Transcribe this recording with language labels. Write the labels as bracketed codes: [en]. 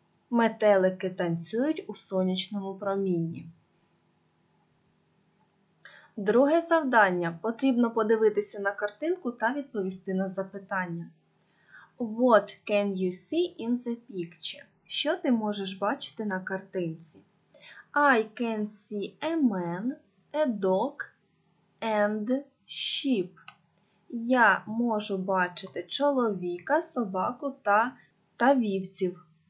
[uk] Метелики танцюють у сонячному промінні. Друге завдання. Потрібно подивитися на картинку та відповісти на запитання. [en] What can you see in the picture? [uk] Що ти можеш бачити на картинці? [en] I can see a man, a dog and sheep. [uk] Я можу бачити чоловіка, собаку та вівців.